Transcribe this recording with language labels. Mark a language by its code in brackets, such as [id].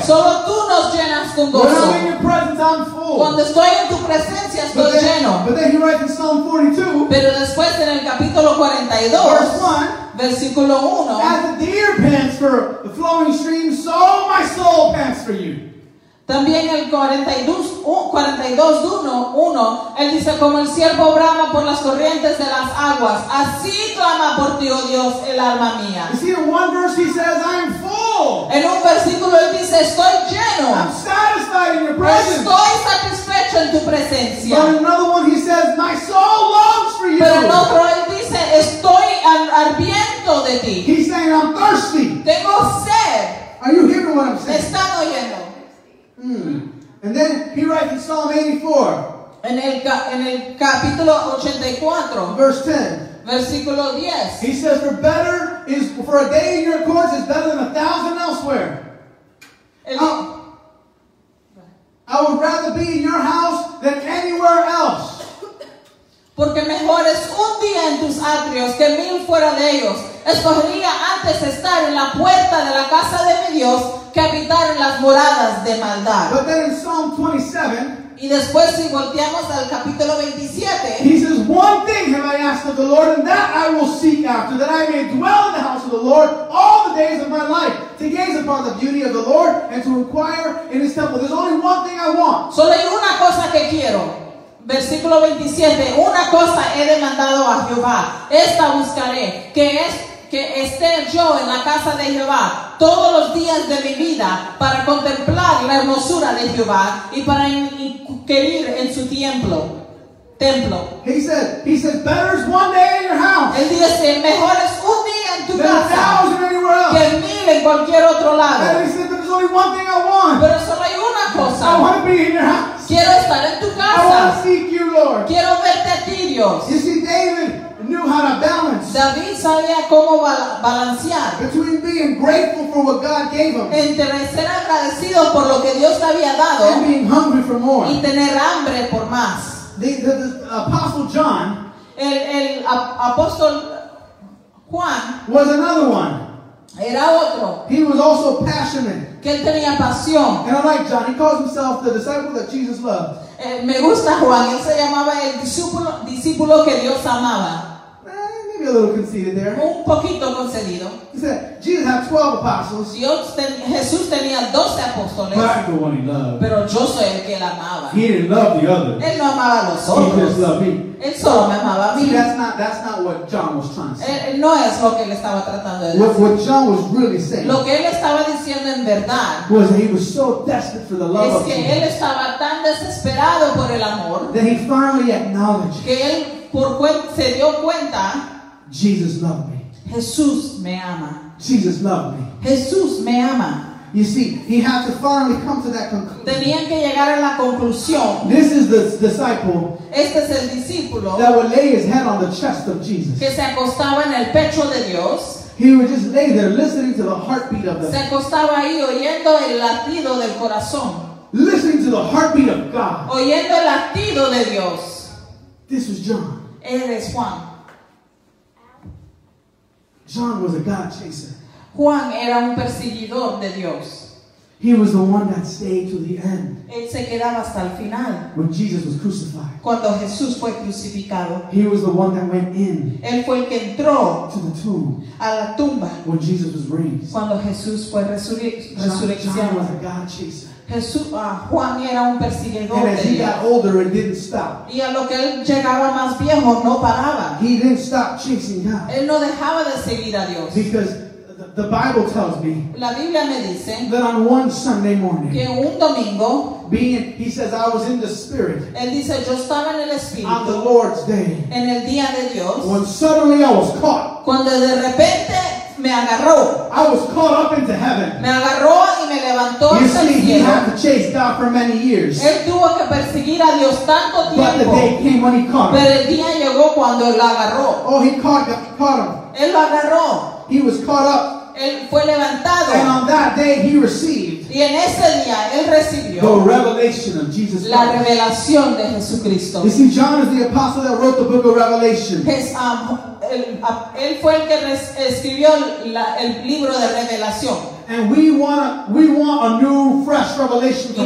[es] Solo tú nos llenas con gozo. [en] When I'm in your presence, I'm full. [es] Cuando estoy en tu presencia estoy [en] but then, [es] lleno. [en] But then he writes in Psalm 42. [es] Pero después en el capítulo 42. [en] Verse 1. [es] Versículo 1. [en] As a deer pants for the flowing stream, so my soul pants for you. [es] También el 42:1, él dice, como el ciervo brama por las corrientes de las aguas, así clama por ti, oh Dios, el alma mía. [en] You see, in one verse he says, I'm full. [es] En un versículo él dice, estoy lleno. [en] I'm satisfied in your presence. [es] Estoy satisfecho en tu presencia. [en] But in another one he says, my soul longs for you. [es] Pero en otro él dice, estoy ardiendo de ti. [en] He's saying, I'm thirsty. [es] Tengo sed. [en] Are you hearing what I'm saying? [es] Están oyendo. [en] And then he writes in Psalm 84. [es] En el capítulo 84. [en] Verse 10. [es] Versículo 10. [en] He says, for a day in your courts is better than 1,000 elsewhere. I would rather be in your house than anywhere else. [es] Porque mejor es un día en tus atrios que mil fuera de ellos. Escogería antes estar en la puerta de la casa de mi Dios que habitar en las moradas de maldad. [en] But then in Psalm 27, [es] y después si volteamos al capítulo 27, [en] he says, one thing have I asked of the Lord, and that I will seek after, that I may dwell in the house of the Lord all the days of my life, to gaze upon the beauty of the Lord and to inquire in his temple. There's only one thing I want. [es] Solo hay una cosa que quiero. Versículo 27, una cosa he demandado a Jehová, esta buscaré, que esté yo en la casa de Jehová todos los días de mi vida para contemplar la hermosura de Jehová y para inquirir en su templo. [en] He said, better is one day in your house. [es] Él dice, mejor es un día en tu casa que mil en cualquier otro lado. [en] And he said, there's only one thing I want. [es] Pero solo hay una cosa. [en] I want to be in your house. [es] Quiero estar en tu casa. [en] I want to seek you, Lord. [es] Quiero verte a ti, Dios. [en] You see, David knew how to balance. [es] David sabía cómo balancear. [en] Between being grateful for what God gave him. [es] Entre ser agradecido por lo que Dios le había dado. [en] And being hungry for more. [es] Y tener hambre por más. [en] The Apostle John, [es] el apóstol Juan, [en] was another one. [es] Era otro. [en] He was also passionate. [es] Que él tenía pasión. [en] And I like John. He calls himself the disciple that Jesus loved. [es] Me gusta Juan. Él se llamaba el discípulo que Dios amaba. [en] Maybe a little conceited there. [es] Un poquito concedido. [en] He said, Jesus had 12 apostles. [es] Jesús tenía 12 apóstoles. [en] But I'm the one he loved. [es] Pero yo soy el que él amaba. [en] He didn't love the others. [es] Él no amaba a los otros. [en] He just loved me. [es] Él solo me amaba a mí. [en] See, that's not what John was trying to say. [es] No es lo que él estaba tratando de decir. [en] What John was really saying. [es] Lo que él estaba diciendo en verdad. [en] Was that he was so desperate for the love of Jesus. [es] Es que él estaba tan desesperado por el amor. [en] That he finally acknowledged. [es] Que él se dio cuenta. [en] Jesus loved me. [es] Jesús me ama. [en] Jesus loved me. [es] Jesús me ama. [en] You see, he had to finally come to that conclusion. [es] Tenían que llegar a la conclusión. [en] This is the disciple. [es] Este es el discípulo. [en] That would lay his head on the chest of Jesus. [es] Que se acostaba en el pecho de Dios. [en] He would just lay there listening to the heartbeat of the. [es] Se acostaba ahí oyendo el latido del corazón. [en] Listening to the heartbeat of God. [es] Oyendo el latido de Dios. [en] This was John. [es] Él es Juan. [en] John was a God chaser. [es] Juan era un perseguidor de Dios. [en] He was the one that stayed to the end. [es] Él se quedaba hasta el final. [en] When Jesus was crucified. [es] Cuando Jesús fue crucificado. [en] He was the one that went in. [es] Él fue el que entró. [en] To the tomb. [es] A la tumba. [en] When Jesus was raised. [es] Cuando Jesús fue resurreccionado. [en] John was a God chaser. [es] Jesús, Juan era un perseguidor. [en] And as he got older and didn't stop. [es] Y a lo que él llegaba más viejo, no paraba. [en] He didn't stop chasing God. [es] Él no dejaba de seguir a Dios. [en] Because the Bible tells me, [es] la Biblia me dice, [en] that on one Sunday morning, [es] que un domingo, [en] being, he says, I was in the Spirit. [es] Él dice, yo estaba en el Espíritu, [en] on the Lord's day. [es] En el día de Dios, [en] when suddenly I was caught. [es] Cuando de repente me agarró. [en] I was caught up into heaven. [es] Me agarró y me levantó. [en] You see, [es] cielo. [en] He had to chase God for many years. [es] Él tuvo que perseguir a Dios tanto tiempo. [en] But the day came when he caught him. [es] Pero el día llegó cuando él agarró. [en] Oh, he caught him. [es] Él lo agarró. [en] He was caught up. [es] Él fue levantado. [en] And on that day he received. [es] Y en ese día él recibió. [en] The revelation of Jesus Christ. [es] La revelación de Jesucristo. [en] You see, John is the apostle that wrote the book of Revelation. [es] Él fue el que escribió el libro de revelación. [en] And we want a new, fresh revelation from